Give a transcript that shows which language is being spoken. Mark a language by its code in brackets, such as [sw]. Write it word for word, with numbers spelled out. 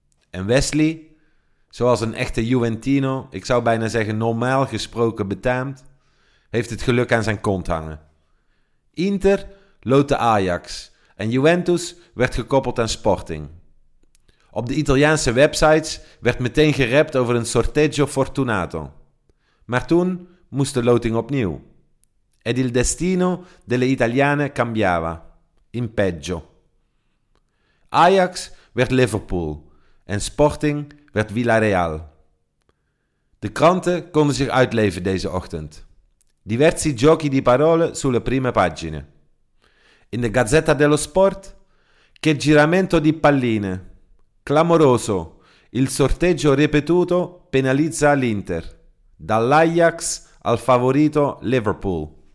[nl] En Wesley, zoals een echte Juventino, ik zou bijna zeggen normaal gesproken betaamt, heeft het geluk aan zijn kont hangen. Inter lootte Ajax... En Juventus werd gekoppeld aan Sporting. Op de Italiaanse websites werd meteen gerept over een [it] sorteggio fortunato. [nl] Maar toen moest de loting opnieuw. [it] Ed il destino delle italiane cambiava, in peggio. [nl] Ajax werd Liverpool en Sporting werd Villarreal. De kranten konden zich uitleven deze ochtend. [it] Diversi giochi di parole sulle prime pagine. [nl] In de [it] Gazzetta dello Sport, che giramento di palline, clamoroso, Il sorteggio ripetuto penalizza l'Inter, dall'Ajax al favorito Liverpool.